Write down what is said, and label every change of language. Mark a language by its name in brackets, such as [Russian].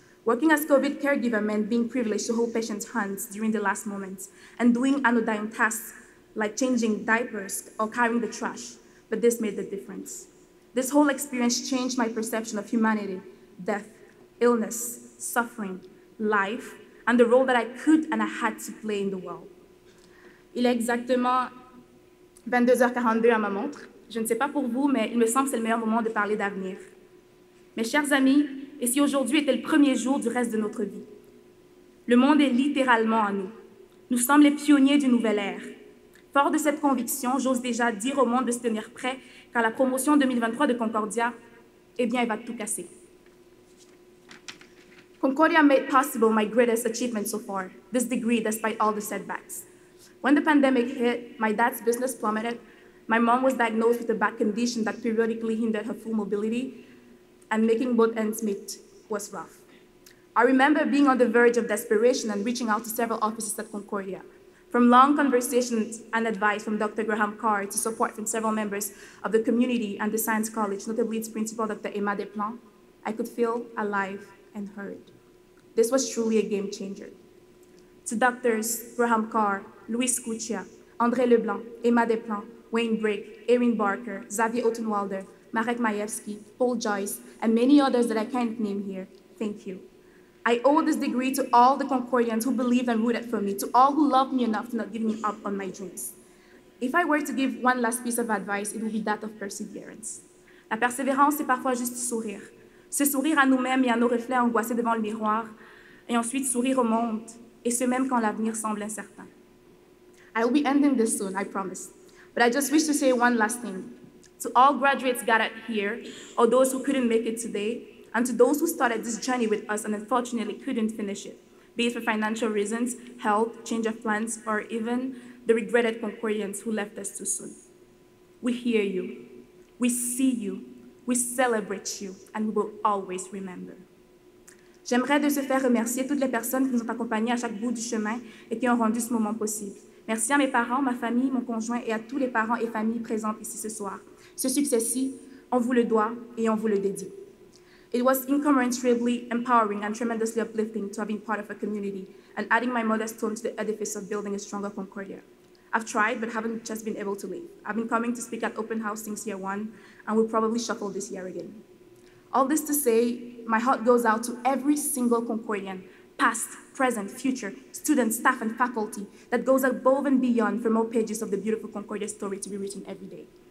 [English] Working as COVID caregiver meant being privileged to hold patients' hands during the last moments and doing anodyne tasks like changing diapers or carrying the trash, but this made the difference. This whole experience changed my perception of humanity, death, illness, suffering, life, and the role that I could and I had to play in the world. [French] Il est exactement 22h42 à ma montre. Je ne sais pas pour vous, mais il me semble que c'est le meilleur moment de parler d'avenir. Mes chers amis, et si aujourd'hui était le premier jour du reste de notre vie? Le monde est littéralement à nous. Nous sommes les pionniers du nouvel ère. Fort de cette conviction, j'ose déjà dire au monde de se tenir prêt, car la promotion 2023 de Concordia, eh bien, elle va tout casser. [English] Concordia made possible my greatest achievement so far, this degree despite all the setbacks. When the pandemic hit, my dad's business plummeted. My mom was diagnosed with a back condition that periodically hindered her full mobility, and making both ends meet was rough. I remember being on the verge of desperation and reaching out to several offices at Concordia. From long conversations and advice from Dr. Graham Carr to support from several members of the community and the science college, notably its principal, Dr. Emma Desplan, I could feel alive and heard. This was truly a game changer. To Drs. Graham Carr, Louis Scuccia, André Leblanc, Emma Desplan, Wayne Brick, Erin Barker, Xavier Ottenwalder, Marek Majewski, Paul Joyce, and many others that I can't name here, thank you. I owe this degree to all the Concordians who believed and rooted for me, to all who loved me enough to not give me up on my dreams. If I were to give one last piece of advice, it would be that of perseverance. [French] La persévérance, c'est parfois juste sourire. Se sourire à nous-mêmes et à nos reflets angoissés devant le miroir, et ensuite sourire au monde, et ce même quand l'avenir semble incertain. [English] I will be ending this soon, I promise. But I just wish to say one last thing. To all graduates gathered here, or those who couldn't make it today, and to those who started this journey with us and unfortunately couldn't finish it, be it for financial reasons, health, change of plans, or even the regretted Concordians who left us too soon. We hear you, we see you, we celebrate you, and we will always remember. [French] J'aimerais de ce fait remercier toutes les personnes qui nous ont accompagnés à chaque bout du chemin et qui ont rendu ce moment possible. Merci à mes parents, ma famille, mon conjoint et à tous les parents et familles présentes ici ce soir. Ce succès-ci, on vous le doit et on vous le dédie. [English] It was incommensurably empowering and tremendously uplifting to have been part of a community and adding my mother's tone to the edifice of building a stronger Concordia. I've tried, but haven't just been able to leave. I've been coming to speak at open house since year one, and we'll probably shuffle this year again. All this to say, my heart goes out to every single Concordian, past, present, future, students, staff, and faculty, that goes above and beyond for more pages of the beautiful Concordia story to be written every day.